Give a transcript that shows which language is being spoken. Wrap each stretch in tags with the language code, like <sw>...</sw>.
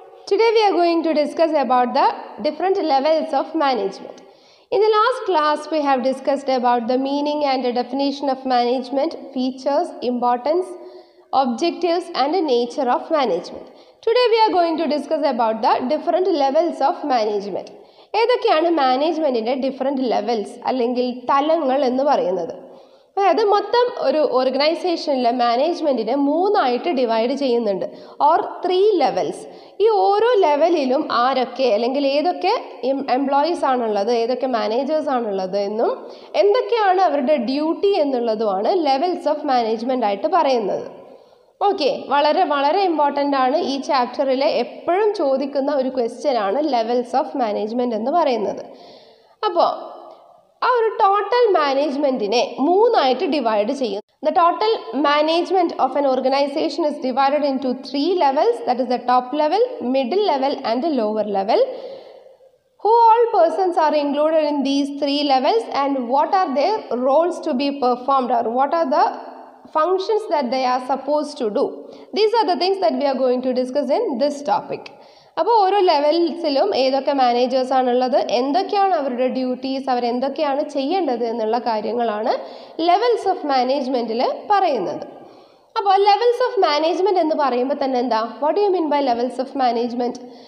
<en>Today we are going to discuss about the different levels of management. In the last class, we have discussed about the meaning and the definition of management, features, importance, objectives and the nature of management. Today we are going to discuss about the different levels of management.</en> <ml>ഏതൊക്കെയാണ് മാനേജ്മെൻറ്റിൻ്റെ different levels അല്ലെങ്കിൽ തലങ്ങൾ എന്ന് പറയുന്നത്? അതായത് മൊത്തം ഒരു ഓർഗനൈസേഷനിലെ മാനേജ്മെൻറ്റിനെ മൂന്നായിട്ട് ഡിവൈഡ് ചെയ്യുന്നുണ്ട്,</ml> <en>Or three levels.</en> <ml>ഈ ഓരോ ലെവലിലും ആരൊക്കെ അല്ലെങ്കിൽ ഏതൊക്കെ എംപ്ലോയീസ് ആണുള്ളത്, ഏതൊക്കെ മാനേജേഴ്സ് ആണുള്ളത് എന്നും എന്തൊക്കെയാണ് അവരുടെ ഡ്യൂട്ടി എന്നുള്ളതുമാണ് ലെവൽസ് ഓഫ് മാനേജ്മെൻ്റ് ആയിട്ട് പറയുന്നത്. ഓക്കെ, വളരെ വളരെ ഇമ്പോർട്ടൻ്റ് ആണ്. ഈ ചാപ്റ്ററിലെ എപ്പോഴും ചോദിക്കുന്ന ഒരു ക്വസ്റ്റ്യൻ ആണ് ലെവൽസ് ഓഫ് മാനേജ്മെൻ്റ് എന്ന് പറയുന്നത്. അപ്പോൾ ആ ഒരു ടോട്ടൽ മാനേജ്മെൻറ്റിനെ മൂന്നായിട്ട് ഡിവൈഡ് ചെയ്യും.</ml> <en>The total management of an organisation is divide into three levels, that is the top level, middle level and lower level. Who all persons are included in these three levels and what are their roles to be performed or what are the functions that they are supposed to do. These are the things that we are going to discuss in this topic.</en> <ml>അപ്പോൾ ഓരോ ലെവൽസിലും ഏതൊക്കെ managers ആണുള്ളത്, എന്തൊക്കെയാണ് അവരുടെ duties, അവരെന്തൊക്കെയാണ് ചെയ്യേണ്ടത് എന്നുള്ള കാര്യങ്ങളാണ് levels of മാനേജ്മെൻറ്റിൽ പറയുന്നത്. അപ്പോൾ ലെവൽസ് ഓഫ് മാനേജ്മെൻറ്റ് എന്ന് പറയുമ്പോൾ തന്നെ എന്താ,</ml> <en>What you mean by levels of management?</en>